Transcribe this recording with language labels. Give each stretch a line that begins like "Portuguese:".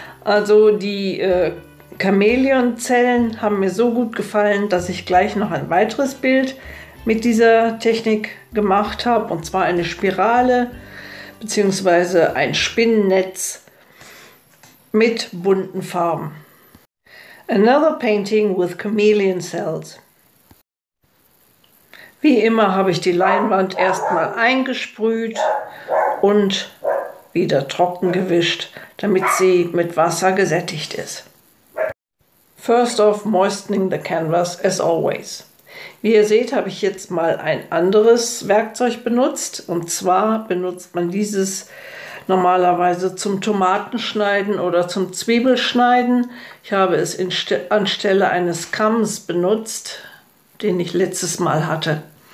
German: Also die Chamäleon-Zellen haben mir so gut gefallen, dass ich gleich noch ein weiteres Bild mit dieser Technik gemacht habe, und zwar eine Spirale bzw. ein Spinnennetz mit bunten Farben.
English: Another painting with chameleon cells.
German: Wie immer habe ich die Leinwand erstmal eingesprüht und wieder trocken gewischt, damit sie mit Wasser gesättigt ist.
English: First off, moistening the canvas as always.
German: Wie ihr seht, habe ich jetzt mal ein anderes Werkzeug benutzt. Und zwar benutzt man dieses normalerweise zum Tomatenschneiden oder zum Zwiebelschneiden. Ich habe es anstelle eines Kamms benutzt, den ich letztes Mal hatte.